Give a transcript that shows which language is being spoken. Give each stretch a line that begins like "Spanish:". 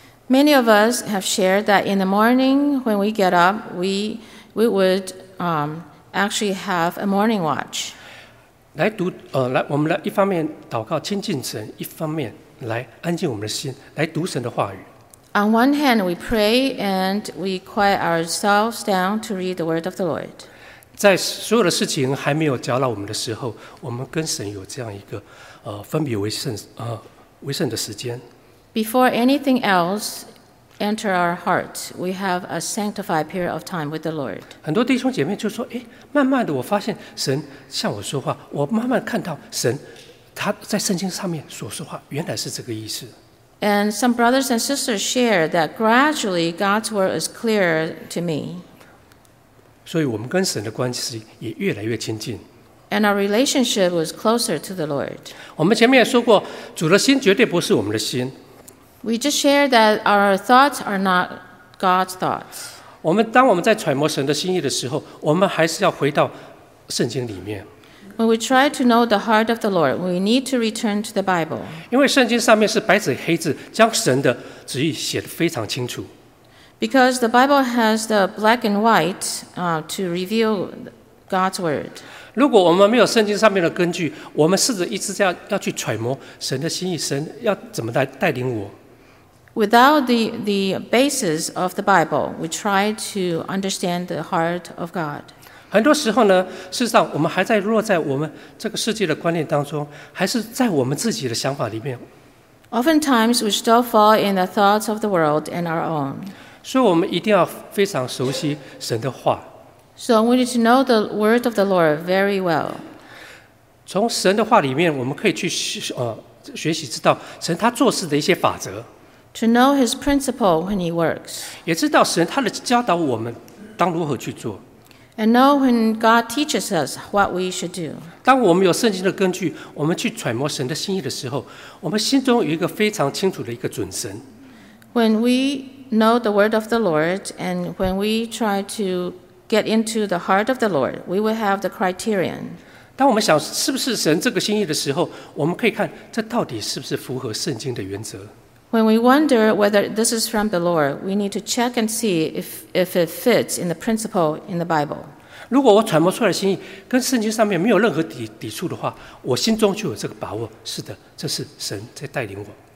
English: Many of us have shared that in the morning when we get up, we would actually have a morning watch.
Chinese: 来读来我们来一方面祷告亲近神，一方面来安静我们的心，来读神的话语。
English: On one hand, we pray and we quiet ourselves down to read the word of the Lord.
Chinese: 在所有的事情还没有搅扰我们的时候，我们跟神有这样一个分别为圣的时间。
English: Before anything else enter our heart, we have a sanctified period of time with the Lord.
Chinese: 很多弟兄姐妹就说，慢慢的我发现神向我说话，我慢慢看到神他在圣经上面所说话原来是这个意思。
English: And some brothers and sisters share that gradually God's word is clearer to me.
Chinese: 所以我们跟神的关系也越来越亲近。
English: And our relationship was closer to the Lord.
Chinese: 我们前面也说过，主的心绝对不是我们的心。
English: We just share that our thoughts are not God's thoughts.
Chinese: 我们当我们在揣摩神的心意的时候，我们还是要回到圣经里面。
English: When we try to know the heart of the Lord, we need to return to the Bible.
Chinese: 因为圣经上面是白纸黑字，将神的旨意写得非常清楚。
English: Because the Bible has the black and white, to reveal God's word.
Chinese: 如果我们没有圣经上面的根据，我们试着一直这样要去揣摩神的心意，神要怎么来带领我？
English: Without the basis of the Bible, we try to understand the heart of God.
Chinese: 很多时候呢，事实上我们还在落在我们这个世界的观念当中，还是在我们自己的想法里面。
English: Oftentimes we still fall in the thoughts of the world and our own.
Chinese: 所以我们一定要非常熟悉神的话。
English: So we need to know the word of the Lord very well.
Chinese: 从神的话里面，我们可以去学习知道神他做事的一些法则。
English: To know his principle when he works.
Chinese: 也知道神他的教导我们当如何去做。
English: And know when God teaches us what we should do.
Chinese: 当我们有圣经的根据，我们去揣摩神的心意的时候，我们心中有一个非常清楚的一个准绳。
English: When we know the word of the Lord, and when we try to get into the heart of the Lord, we will have the criterion.
Chinese: 当我们想是不是神这个心意的时候，我们可以看这到底是不是符合圣经的原则。
English: When we wonder whether this is from the Lord, we need to check and see if it fits in the principle in the Bible.
Chinese: 如果我揣摩出来的心意跟圣经上面没有任何抵触的话，我心中就有这个把握，是的，这是神在带领我。